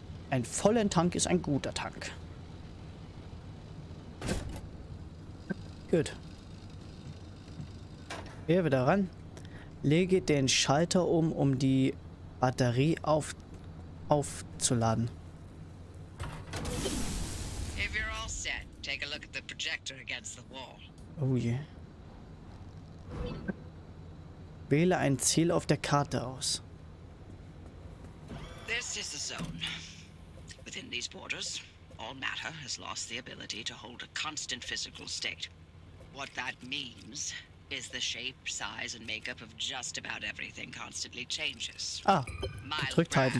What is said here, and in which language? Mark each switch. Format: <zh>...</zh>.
<de>Ein voller Tank ist ein guter Tank. Gut. Hier wieder ran. Lege den Schalter um, um die Batterie aufzuladen.</de> <en>If you're all set, take a look at the projector against the wall. Oh je. Yeah.</en> <de>Wähle ein Ziel auf der Karte aus.</de> <en>This is the zone. Within these borders, All matter has lost the ability to hold a constant physical state. What that means is the shape, size and makeup of just about everything constantly changes.</en> <de>Ah, gedrückt halten.</de>